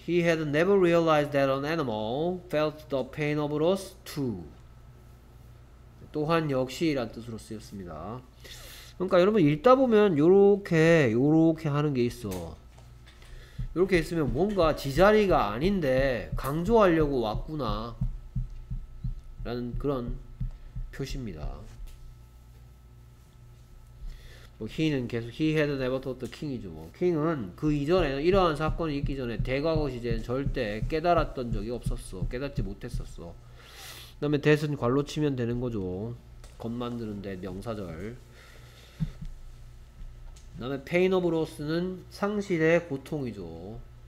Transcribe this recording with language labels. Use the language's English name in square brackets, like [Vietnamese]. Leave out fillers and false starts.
[English] He had never realized that an animal felt the pain of loss too. [Korean] 또한 역시란 뜻으로 쓰였습니다. 그러니까 여러분 읽다 보면 요렇게 하는 게 있어. 요렇게 있으면 뭔가 지자리가 아닌데 강조하려고 왔구나 라는 그런 표시입니다. 뭐 he는 계속 [English] he had never thought the king [Korean] 이죠. 뭐 king은 그 이전에 이러한 사건이 있기 전에 대과거 시제는 절대 깨달았던 적이 없었어. 깨닫지 못했었어. 그다음에 that은 괄호 치면 되는 거죠. 겉 만드는데 명사절. 그다음에 [English] pain of loss [Korean] 는 상실의 고통이죠.